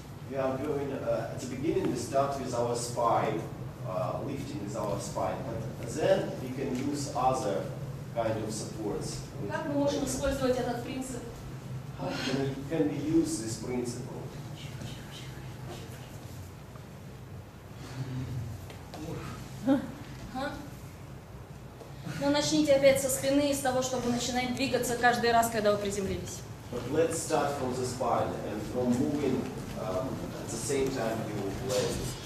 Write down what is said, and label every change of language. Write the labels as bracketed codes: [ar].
[en] We are going, at the beginning we start with our spine, lifting with our spine, but then we can use other kind of supports. [ru] Как мы можем использовать этот принцип? [en] Can we use this principle? [ru] Ну, начните опять со спины, из того, чтобы начинать двигаться каждый раз, когда вы приземлились. [en] But let's start from the spine and from moving at the same time you land.